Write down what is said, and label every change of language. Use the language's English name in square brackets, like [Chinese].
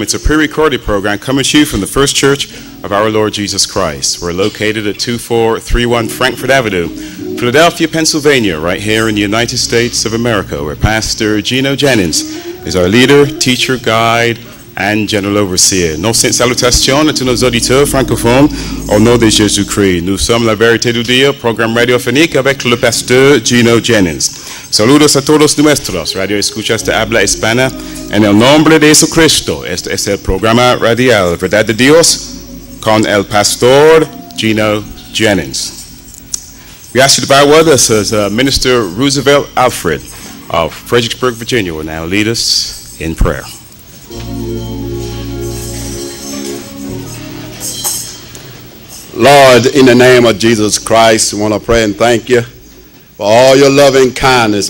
[English] It's a pre-recorded program coming to you from the First Church of our Lord Jesus Christ. We're located at 2431 Frankfort Avenue, Philadelphia, Pennsylvania, right here in the United States of America, where Pastor Gino Jennings is our leader, teacher, guide, and general overseer. [French] Nos sommes salutations à tous nos auditeurs francophones au nom de Jésus-Christ. Nous sommes la vérité du Dieu, programme radiophonique avec le pasteur Gino Jennings. [Spanish] Saludos a todos nuestros, radio escuchas de habla hispana, en el nombre de Jesucristo. Este es el programa radial, verdad de Dios, con el pastor Gino Jennings. [English] We ask you to bow with us as Minister Roosevelt Alfred of Fredericksburg, Virginia, will now lead us in prayer. Lord, in the name of Jesus Christ, we want to pray and thank you for all your loving kindness.